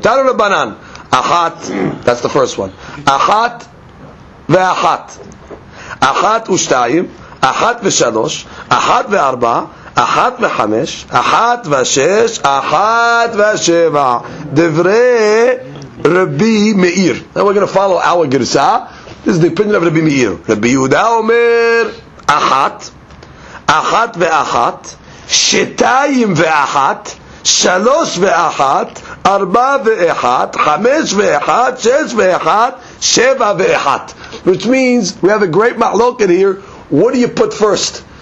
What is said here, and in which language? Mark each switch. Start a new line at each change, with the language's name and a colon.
Hebrew: Taru rabbanan, ahat,
English: that's the first one.
Hebrew: Ahat v'ahat. Ahat ushtayim, ahat v'shalosh, ahat v'arba, אחת וחמש, אחת ושש, אחת ושבע. דברי רבי מאיר.
English: Now we're going to follow our גרסה. This is the opinion of רבי מאיר.
Hebrew: רבי יהודה אומר, אחת, אחת ואחת, שתיים ואחת, שלוש ואחת, ארבע ואחת, חמש ואחת, שש ואחת, שבע ואחת.
English: Which means, we have a great מחלוקת here, what do you put first?